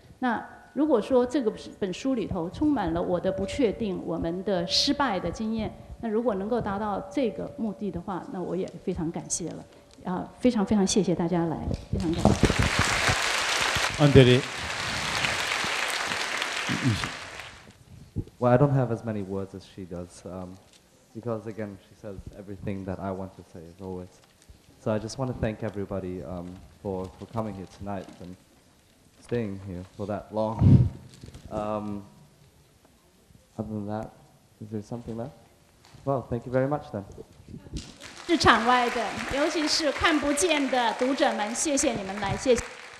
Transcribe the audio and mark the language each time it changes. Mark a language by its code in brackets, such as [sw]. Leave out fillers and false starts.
[zh] 那如果说这个本书里头充满了我的不确定，我们的失败的经验，那如果能够达到这个目的的话，那我也非常感谢了，非常非常谢谢大家来，非常感谢。安德烈， [en] Well, I don't have as many words as she does, because again, she says everything that I want to say as always. So I just want to thank everybody for coming here tonight and staying here for that long. Other than that, is there something left? Well, thank you very much then. [zh] 日场外的，尤其是看不见的读者们，谢谢你们来，谢谢。